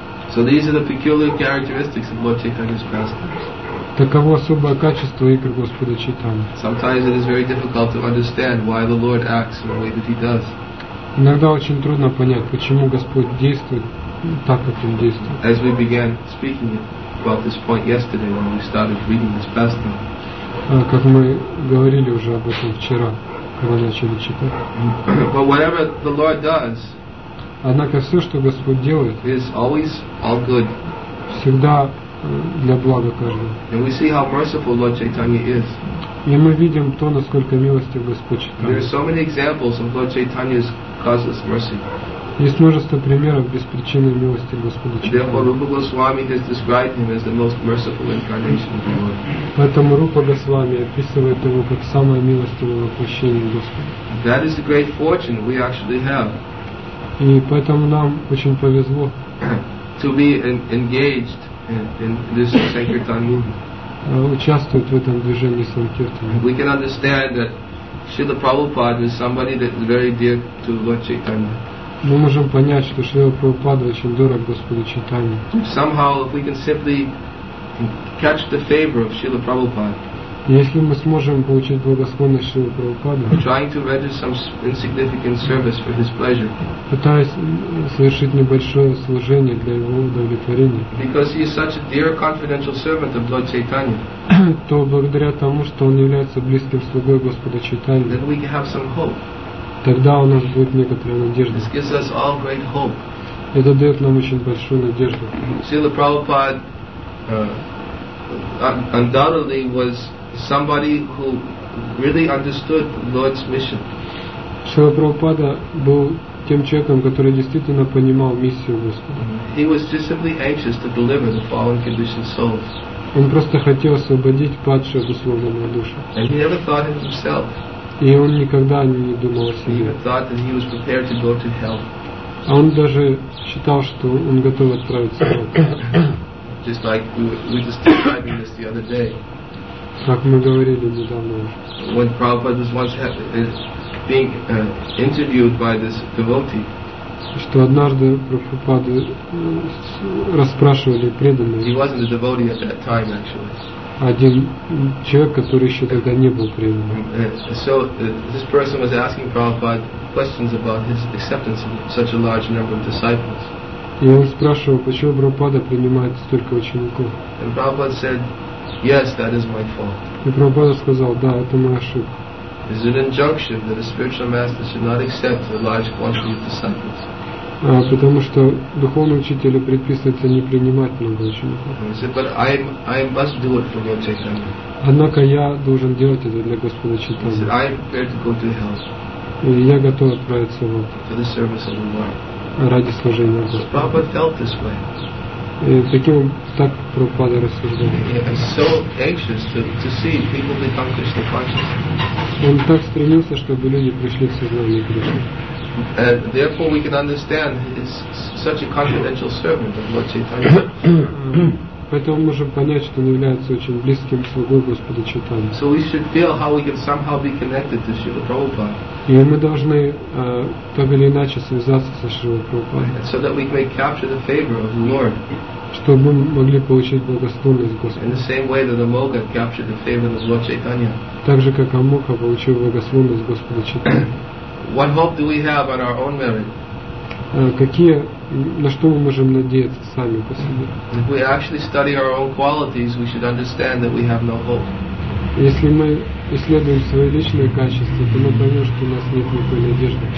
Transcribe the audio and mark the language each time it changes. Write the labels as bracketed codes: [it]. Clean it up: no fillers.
[en] So these are the peculiar characteristics of Lord Chaitanya's pastimes. [ru] Таково особое качество игр Господа Чайтаньи. [en] Sometimes it is very difficult to understand why the Lord acts in the way that he does. [ru] Иногда очень трудно понять, почему Господь действует так, как он действует. [en] As we began speaking about this point yesterday when we started reading this pastime. [ru] Как мы говорили уже об этом вчера, когда начали читать. [en] But whatever the Lord does, [ru] однако все, что Господь делает, [en] is always all good. [ru] Всегда для блага каждого. [en] And we see how merciful Lord Chaitanya is. [ru] И мы видим то, насколько милостив Господь Чайтанья. [en] There are so many examples of Lord Chaitanya's causeless mercy. [ru] Есть множество примеров беспричинной милости Господа Чайтанья. [en] Therefore, Rupa Goswami has described him as the most merciful incarnation of the Lord. [ru] Поэтому Рупа Госвами описывает его как самое милостивое воплощение Господа. [en] That is the great fortune we actually have. [ru] И поэтому нам очень повезло [en] to be engaged in this Sankirtan movement. [ru] Участвует в этом движении Санкиртан. [en] We can understand that Srila Prabhupada is somebody that is very dear to Lord Chaitanya. [ru] Мы можем понять, что Шрила Прабхупада очень дорог Господу Чайтанье. [en] Somehow, if we can simply catch the favor of Srila Prabhupada, [ru] если мы сможем получить благосклонность Шрилы Прабхупады, [en] trying to render some insignificant service for his pleasure, [ru] пытаясь совершить небольшое служение для его удовлетворения, [en] because he is such a dear confidential servant of Lord Chaitanya, [ru] то благодаря тому, что он является близким слугой Господа Чайтаньи, [en] then we can have some hope. [ru] Тогда у нас будет некоторая надежда. [en] This gives us all great hope. [ru] Это дает нам очень большую надежду. [en] Srila Prabhupada undoubtedly was somebody who really understood Lord's mission. [ru] Шрила Прабхупада был тем человеком, который действительно понимал миссию Господа. [en] He was just simply anxious to deliver the fallen conditioned souls. [ru] Он просто хотел освободить падшие обусловленные души. [en] And he never thought of himself. [ru] И он никогда не думал о себе. [en] He even thought that he was prepared to go to hell. [ru] А он даже считал, что он готов отправиться в ад. [en] Just like we were just describing this the other day. [ru] Как мы говорили недавно. [en] When Prabhupada was once being interviewed by this devotee, [ru] что однажды Прабхупаду расспрашивали преданные. [en] He wasn't a devotee at that time, actually. [ru] Один человек, который еще тогда не был преданным. [en] So this person was asking Prabhupada questions about his acceptance of such a large number of disciples. [ru] И он спрашивал, почему Прабхупада принимает столько учеников. [en] And Prabhupada said, yes, that is my fault. [ru] И Прабхупада сказал, да, это моя ошибка. [en] Is it an injunction that a spiritual master should not accept a large quantity of disciples? [ru] Потому что духовный учитель предписывается не принимать много учеников. [en] He said, but I must do it for Lord Chaitanya. [ru] Однако я должен делать это для Господа Чайтаньи. [en] He said, I am prepared to go to hell. [ru] И я готов отправиться в ад. [en] For the service of the Lord. [ru] Ради служения Господа. [en] So Prabhupada felt this way. [ru] И таким так Прабхупада рассуждал. [en] So anxious to see people become Krishna conscious. [ru] Он так стремился, чтобы люди пришли в сознание Кришны. [en] And therefore we can understand he is such a confidential servant of Lord Chaitanya. [ru] Поэтому мы можем понять, что он является очень близким слугой Господа Чайтаньи. [en] So we should feel how we can somehow be connected to Śrīla Prabhupāda. [ru] И мы должны так или иначе связаться со Śrīla Prabhupādaй. [en] So that we may capture the favor of the Lord. [ru] Чтобы мы могли получить благосклонность Господа. [en] In the same way that Amoga captured the favor of Lord Chaitanya. [ru] Так же, как Амока получил благосклонность Господа Чайтаньи. [en] What hope do we have on our own merit? [ru] Какие, на что мы можем надеяться сами по себе? [en] If we actually study our own qualities, we should understand that we have no hope. [ru] Если мы исследуем свои личные качества, то мы поймем, что у нас нет никакой надежды.